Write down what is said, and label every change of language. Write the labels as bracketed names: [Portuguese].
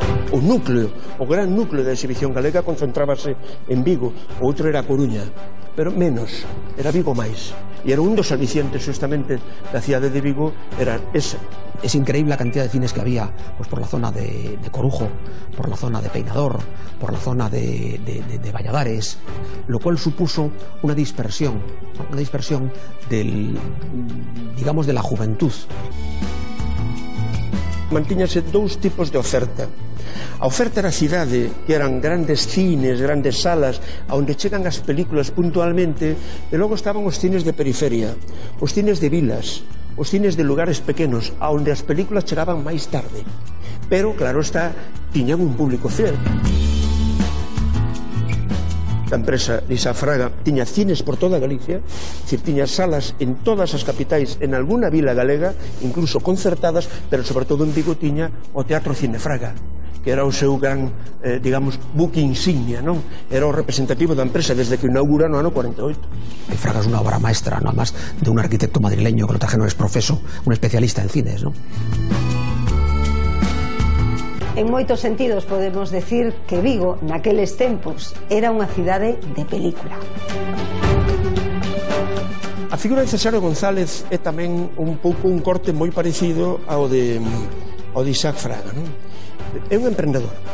[Galician] O núcleo, o gran núcleo da exhibición galega concentrábase en Vigo, o outro era a Coruña, pero menos, era Vigo máis. E era un dos alicientes justamente da cidade de Vigo, era ese. [Spanish] Es increíble a cantidad de cines que había pues por la zona de Corujo, por la zona de Peinador, por la zona de Valladares, lo cual supuso una dispersión del, digamos, de la juventud. [Galician] Mantíñase dous tipos de oferta. A oferta da cidade, que eran grandes cines, grandes salas, onde chegan as películas puntualmente, e logo estaban os cines de periferia, os cines de vilas, os cines de lugares pequenos, onde as películas chegaban máis tarde. Pero, claro está, tiñan un público fiel. A empresa Lisafraga tiña cines por toda Galicia, tiña salas en todas as capitais, en alguna vila galega, incluso concertadas, pero sobre todo en Vigo tiña o Teatro Cinefraga, que era o seu gran, digamos, buque insignia, non? Era o representativo da empresa desde que inaugura no ano 48. E Fraga é unha obra maestra, non? [Spanish] Además de un arquitecto madrileño que lo trajeron ex profeso, un especialista en cines, non? [Galician] En moitos sentidos podemos decir que Vigo, naqueles tempos, era unha cidade de película. A figura de Cesáreo González é tamén un pouco un corte moi parecido ao de Isaac Fraga, non? É un emprendedor.